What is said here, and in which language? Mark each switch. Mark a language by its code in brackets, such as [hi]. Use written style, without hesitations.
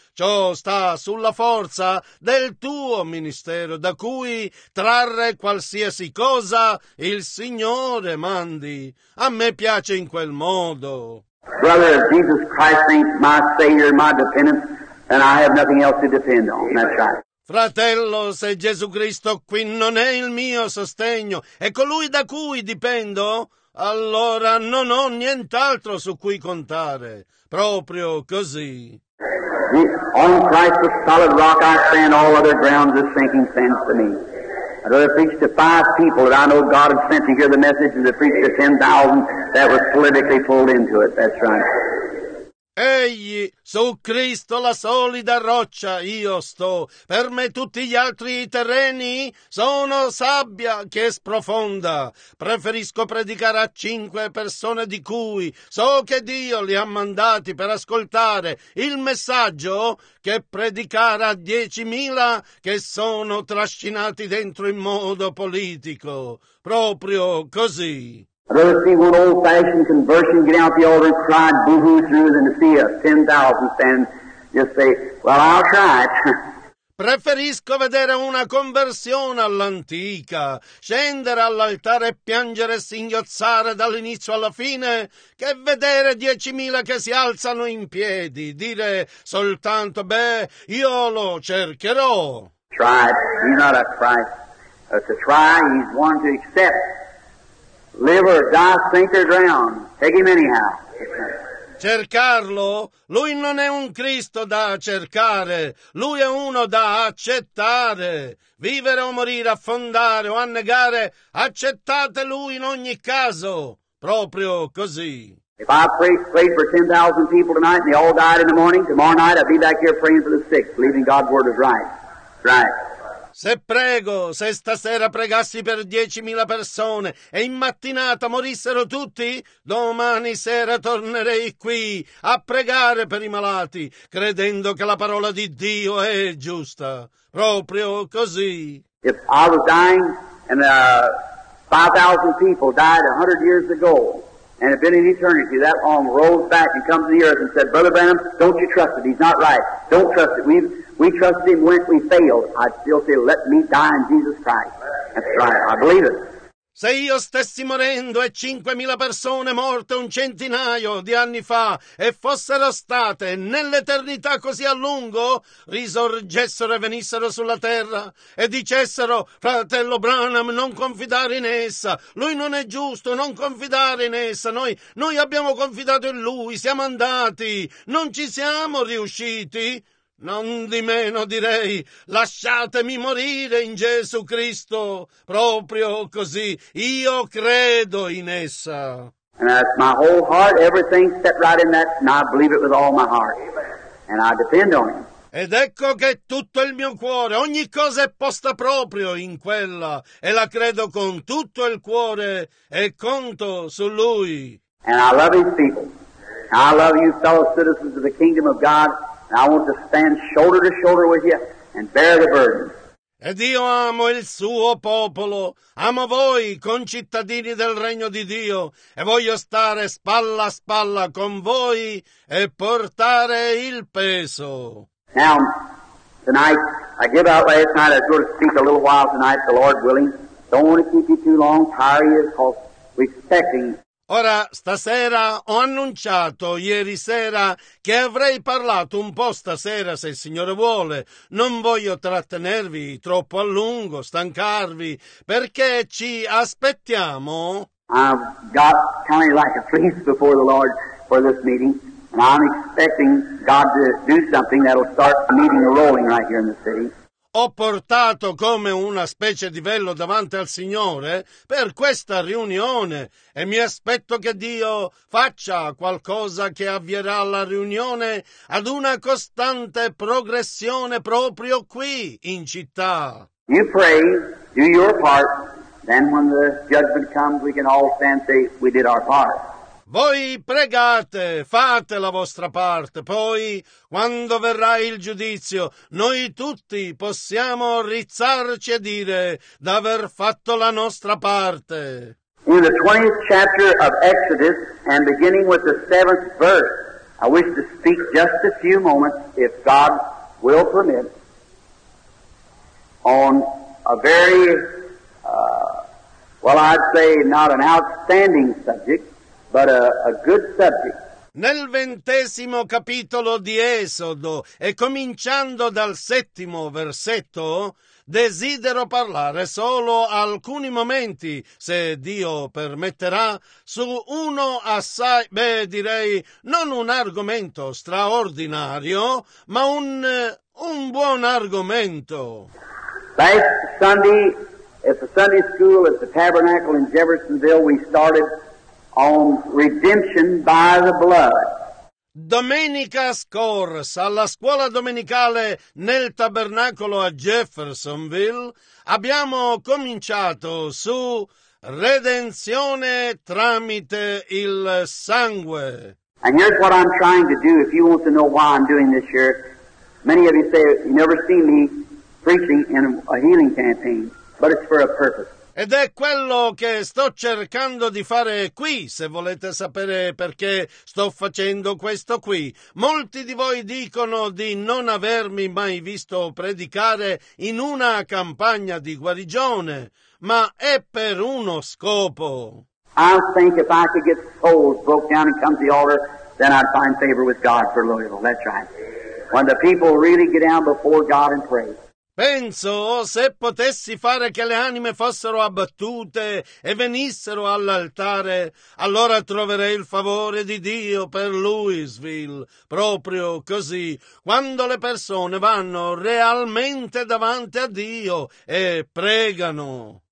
[it] Ciò sta sulla forza del tuo ministero, da cui trarre qualsiasi cosa il Signore mandi. A me piace in quel modo. [en] Brother, if Jesus Christ ain't my savior, my dependence, then I have nothing else to depend on. That's right. [it] Fratello, se Gesù Cristo qui non è il mio sostegno, è colui da cui dipendo, allora non ho nient'altro su cui contare. Proprio così. [en] On Christ the solid rock I stand, all other grounds are sinking sands to me. I'd rather preach to 5 people that I know God has sent to hear the message than to preach to 10,000 that was politically pulled into it. That's right. [it] Egli, su Cristo la solida roccia io sto, per me tutti gli altri terreni sono sabbia che sprofonda. Preferisco predicare a 5 persone di cui so che Dio li ha mandati per ascoltare il messaggio, che predicare a 10,000 che sono trascinati dentro in modo politico. Proprio così. [en] I'd rather see one old-fashioned conversion get out the altar and cry boo-hoo through than to see a 10,000 stand and just say, well, I'll try it. [it] Preferisco vedere una conversione all'antica, scendere all'altare e piangere e singhiozzare dall'inizio alla fine, che vedere 10,000 che si alzano in piedi, dire soltanto, beh, io lo cercherò. [en] Try it. He's not a Christ. To try, he's one to accept. Live or die, sink or drown. Take him anyhow. [it] Cercarlo? Lui non è un Cristo da cercare. Lui è uno da accettare. Vivere o morire, affondare o annegare, accettate lui in ogni caso. Proprio così. [en] If I prayed for 10,000 people tonight and they all died in the morning, tomorrow night I'd be back here praying for the sick, believing God's word is right. Right. [it] Se prego, se stasera pregassi per 10,000 persone e in mattinata morissero tutti, domani sera tornerei qui a pregare per i malati, credendo che la parola di Dio è giusta. Proprio così. [en] If I was dying and 5,000 people died 100 years ago and had been in eternity, that arm rolls back and comes to the earth and said, Brother Branham, don't you trust it, he's not right, don't trust it, we trusted him, when we failed, I'd still say, let me die in Jesus Christ. That's right, I believe it. [it] Se io stessi morendo e 5,000 persone morte un centinaio di anni fa e fossero state nell'eternità così a lungo, risorgessero e venissero sulla terra e dicessero, fratello Branham, non confidare in essa, lui non è giusto, non confidare in essa, noi abbiamo confidato in lui, siamo andati, non ci siamo riusciti. Non di meno direi, lasciatemi morire in Gesù Cristo, proprio così, io credo in essa. [en] And that's my whole heart, everything set right in that, and I believe it with all my heart, and I depend on him. [it] Ed ecco che tutto il mio cuore, ogni cosa è posta proprio in quella, e la credo con tutto il cuore, e conto su lui. [en] And I love his people, and I love you fellow citizens of the kingdom of God, I want to stand shoulder to shoulder with you and bear the burden. [it] Ed io amo il suo popolo, amo voi concittadini del regno di Dio, e voglio stare spalla a spalla con voi e portare il peso. [en] Now, tonight, I give out last night, I was going to speak a little while tonight, the Lord willing. Don't want to keep you too long, tire you, because we're expecting. [it] Ora, stasera ho annunciato ieri sera che avrei parlato un po' stasera, se il Signore vuole. Non voglio trattenervi troppo a lungo, stancarvi, perché ci aspettiamo. [en] I've got kind of like a priest before the Lord for this meeting, and I'm expecting God to do something that'll start the meeting rolling right here in the city. [it] Ho portato come una specie di velo davanti al Signore per questa riunione e mi aspetto che Dio faccia qualcosa che avvierà la riunione ad una costante progressione proprio qui in città. [en] You pray, do your part, then when the judgment comes we can all stand and say we did our part. [it] Voi pregate, fate la vostra parte, poi, quando verrà il giudizio, noi tutti possiamo rizzarci e dire d'aver fatto la nostra parte. [en] In the 20th chapter of Exodus, and beginning with the 7th verse, I wish to speak just a few moments, if God will permit, on a very, well, I'd say not an outstanding subject, but a good subject. [it] nel 20° capitolo di Esodo e cominciando dal 7° versetto, desidero parlare solo alcuni momenti, se Dio permetterà, su uno assai, beh, direi, non un argomento straordinario, ma un buon argomento. [en] Last Sunday, at the Sunday School at the Tabernacle in Jeffersonville, we started on redemption by the blood. [it] Domenica scorsa, alla scuola domenicale nel Tabernacolo a Jeffersonville, abbiamo cominciato su redenzione tramite il sangue. [en] And here's what I'm trying to do, if you want to know why I'm doing this here. Many of you say, you never see me preaching in a healing campaign, but it's for a purpose. [it] Ed è quello che sto cercando di fare qui, se volete sapere perché sto facendo questo qui. Molti di voi dicono di non avermi mai visto predicare in una campagna di guarigione, ma è per uno scopo. [en] I think if I could get souls broke down and come to the altar, then I'd find favor with God for Louisville. That's right. When the people really get down before God and pray. [it] Penso se potessi fare che le anime fossero abbattute e venissero all'altare, allora troverei il favore di Dio per Louisville. Proprio così, quando le persone vanno realmente davanti a Dio e pregano.